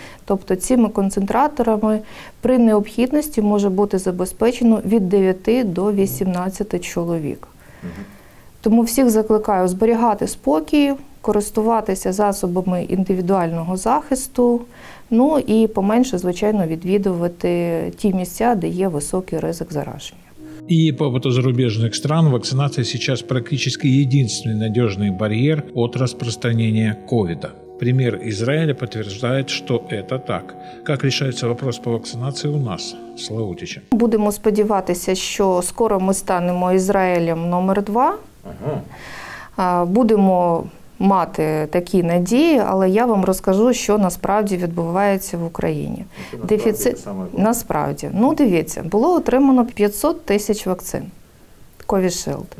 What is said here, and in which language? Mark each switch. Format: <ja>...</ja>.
<uk>Тобто цими концентраторами при необхідності може бути забезпечено від 9 до 18 чоловік. Тому всіх закликаю зберігати спокій, користуватися засобами індивідуального захисту, ну і поменше, звичайно, відвідувати ті місця, де є високий ризик зараження.</uk> <ru>И по опыту зарубежных стран, вакцинация сейчас практически единственный надежный барьер от распространения ковида. Пример Израиля подтверждает, что это так. Как решается вопрос по вакцинации у нас, Славутича?</ru> <uk>Будем сподіватися, що скоро ми станемо Ізраїлем номер 2. Ага. Будемо мати такі надії, але я вам розкажу, що насправді відбувається в Україні. Дефіцит насправді. Ну, дивіться, було отримано 500 тисяч вакцин Covishield.</uk>